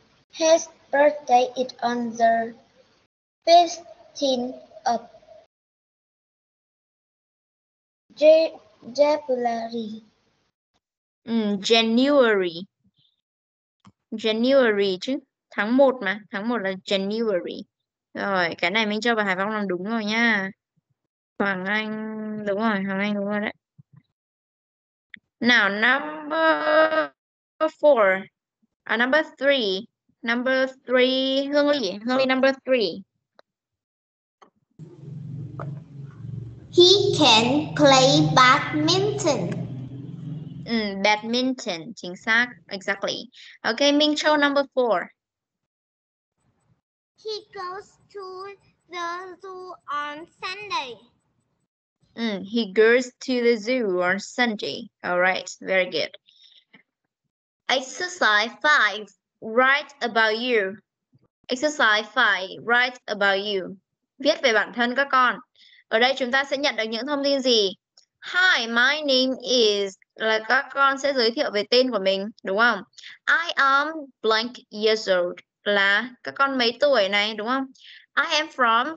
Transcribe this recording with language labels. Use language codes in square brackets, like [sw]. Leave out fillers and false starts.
[en] His birthday is on the 15th of January. [vi] January chứ. Tháng 1 mà. Tháng 1 là January. Rồi, cái này Minh Châu và Hải Phong làm đúng rồi nha. Hoàng Anh, đúng rồi, Hoàng Anh đúng rồi đấy. [en] Now, number three, Hương Ly, number three. He can play badminton. Badminton, [vi] chính xác, [en] exactly. Okay, Minh Châu, number four. He goes to the zoo on Sunday. He goes to the zoo on Sunday. All right, very good. Exercise five. Write about you. Exercise 5. Write about you. [vi] Viết về bản thân các con. Ở đây chúng ta sẽ nhận được những thông tin gì? [en] Hi, my name is... [vi] Là các con sẽ giới thiệu về tên của mình, đúng không? [en] I am blank years old. [vi] Là các con mấy tuổi này, đúng không? [en] I am from...